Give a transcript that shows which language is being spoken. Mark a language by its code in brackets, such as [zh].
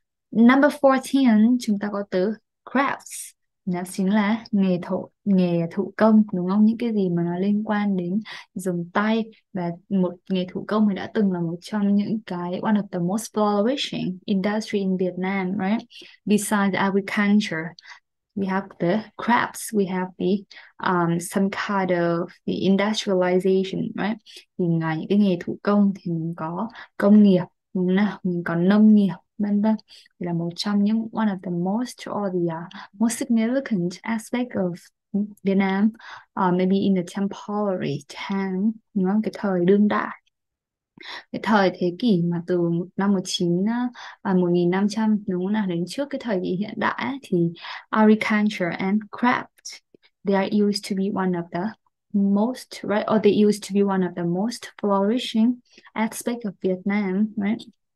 [vi] Number 14, chúng ta có từ crafts. Nó chính là nghề thủ công đúng không? Những cái gì mà nó liên quan đến dùng tay, và một nghề thủ công thì đã từng là một trong những cái [en] one of the most flourishing industry in Vietnam, right? Besides agriculture, we have the crafts, we have the some kind of the industrialization, right? [vi] Thì ngoài những cái nghề thủ công thì mình có công nghiệp, mình có nông nghiệp, vân vân, là một trong những [en] one of the most significant aspect of Vietnam, maybe in the temporary time, [vi] đúng không? Cái thời đương đại, cái thời thế kỷ mà từ năm 1500 đúng không nào, đến trước cái thời kỳ hiện đại ấy, [en] thì agriculture and craft they are used to be one of the most, right, or they used to be one of the most flourishing aspect of Vietnam, right?